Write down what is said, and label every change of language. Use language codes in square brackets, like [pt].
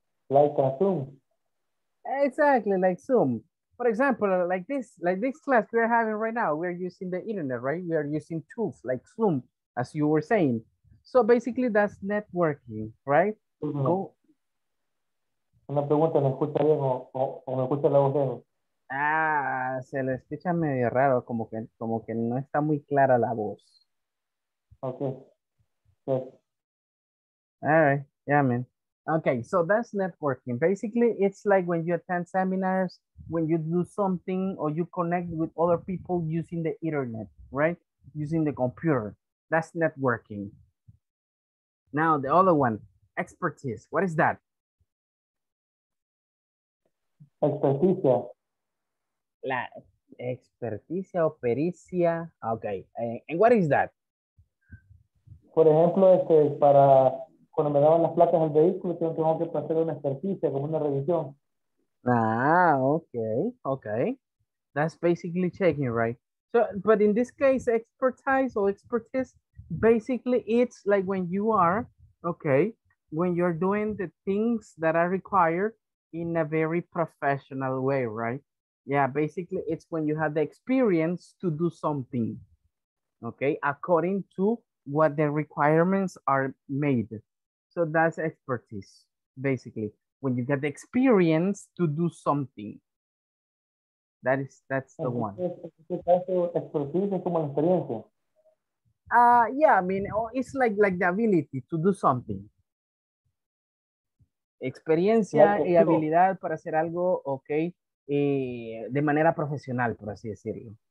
[en] Like Zoom. Exactly, like Zoom. For example, like this class we're having right now, we're using the internet, right? We are using tools like Zoom, as you were saying. So basically that's networking, right? Mm-hmm. Go. [es] Una pregunta, ¿me escucha bien o me escucha la voz de él? Ah, se le escucha medio raro, como que no está muy clara la voz. [en] Okay. Yes. All right, yeah, man. Okay, so that's networking. Basically, it's like when you attend seminars, when you do something or you connect with other people using the internet, right? Using the computer. That's networking. Now, the other one, expertise. What is that? [es] Experticia. La experticia o pericia. [en] Okay, and what is that? [es] Por ejemplo, este para... Cuando me daban las placas al vehículo, tengo que hacer una experticia, como una revisión. [en] Ah, okay, okay. That's basically checking, right? So, but in this case, expertise or expertise, basically it's like when you are, okay, when you're doing the things that are required in a very professional way, right? Yeah, basically it's when you have the experience to do something, okay, according to what the requirements are made. So that's expertise, basically. When you get the experience to do something. That's the one. Yeah, I mean, it's like the ability to do something. [es] Experiencia y habilidad para hacer algo, okay, de manera profesional, por así decirlo.